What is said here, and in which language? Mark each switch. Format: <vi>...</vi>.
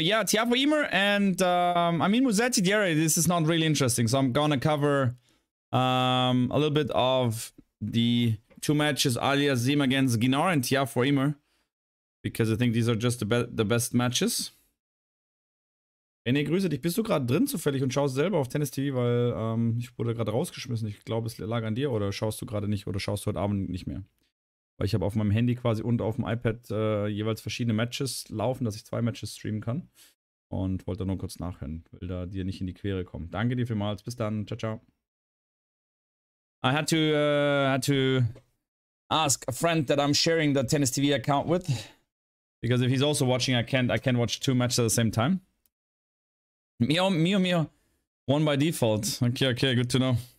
<en>Yeah, TIAFOE YMER and I mean Musetti Diere, this is not really interesting. So I'm gonna cover a little bit of the two matches, Aliassime against Guinard and TIAFOE YMER. Because I think these are just the best matches.</en> <de>René, grüße dich. Bist du gerade drin zufällig und schaust selber auf Tennis TV, weil ich wurde gerade rausgeschmissen. Ich glaube, es lag an dir oder schaust du gerade nicht oder schaust du heute Abend nicht mehr? Weil ich habe auf meinem Handy quasi und auf dem iPad jeweils verschiedene Matches laufen, dass ich zwei Matches streamen kann. Und wollte nur kurz nachhören, will da dir nicht in die Quere kommen. Danke dir vielmals, bis dann, ciao, ciao.</de> <en>I had to ask a friend that I'm sharing the Tennis TV account with. Because if he's also watching, I can't watch two matches at the same time. Mio, mio, mio. One by default. Okay, okay, good to know.</en>